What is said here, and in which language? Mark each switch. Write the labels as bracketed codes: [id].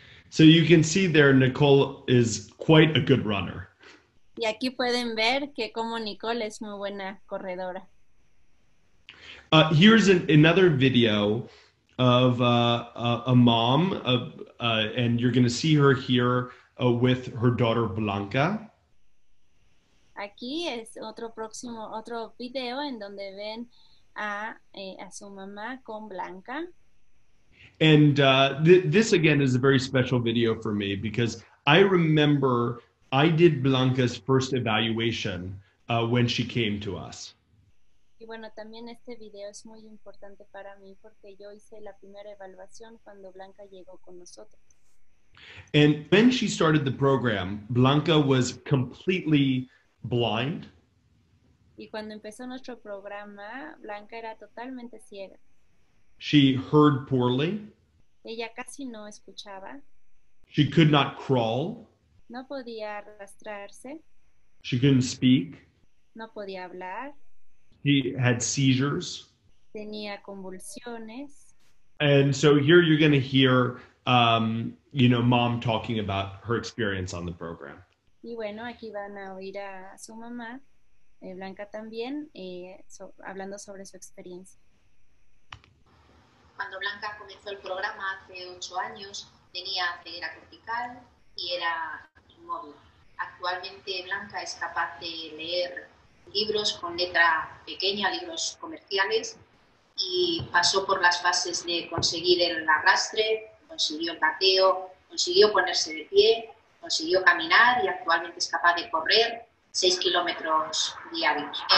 [en] So you can see there, Nicole is quite a good runner. [es] Y aquí pueden ver que como Nicole es muy buena corredora. [en] Here's another video of a mom, and you're going to see her here with her daughter Blanca. [es] Aquí es otro video en donde ven a su mamá con Blanca. [en] And this again is a very special video for me because I remember I did Blanca's first evaluation when she came to us. [es] Y bueno, también este video es muy importante para mí porque yo hice la primera evaluación cuando Blanca llegó con nosotros. [en] And when she started the program, Blanca was completely blind. [es] Y cuando empezó nuestro programa, Blanca era totalmente ciega. [en] She heard poorly. [es] Ella casi no escuchaba. [en] She could not crawl. [es] No podía arrastrarse. [en] She couldn't speak. [es] No podía hablar. [en] She had seizures. [es] Tenía convulsiones. [en] And so here you're going to hear, you know, mom talking about her experience on the program. [es] Y bueno, aquí van a oír a su mamá, Blanca también, hablando sobre su experiencia. Cuando Blanca comenzó el programa hace 8 años, tenía ceguera cortical y era inmóvil. Actualmente Blanca es capaz de leer libros con letra pequeña, libros comerciales, y pasó por las fases de conseguir el arrastre, consiguió el gateo, consiguió ponerse de pie, consiguió caminar y actualmente es capaz de correr 6 kilómetros diarios.